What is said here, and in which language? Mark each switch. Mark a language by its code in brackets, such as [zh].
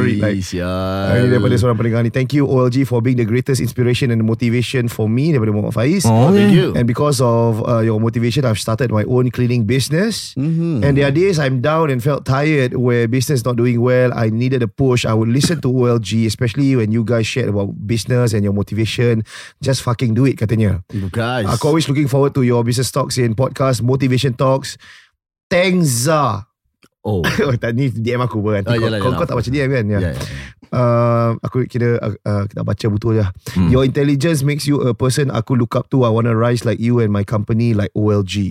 [ms] Ini daripada seorang pendengar ni. [en] Thank you OLG for being the greatest inspiration and motivation for me [ms] daripada Muhammad Faiz. [en] Oh, thank you. And because of your motivation, I've started my own cleaning business. Mm-hmm. And there are days I'm down and felt tired where business not doing well. I needed a push. I would listen to OLG, especially when you guys shared about business and your motivation. Just fucking do it, [ms] katanya. [en] You guys, I'm always looking forward to your business talks and podcast motivation talks. Thanks, Oh, [ms] tak, ni DM aku pun. Kau tak baca DM kan? Aku kira kita baca butuh je. [en] Your intelligence makes you a person [ms] aku [en] look up to. I want to rise like you and my company like OLG.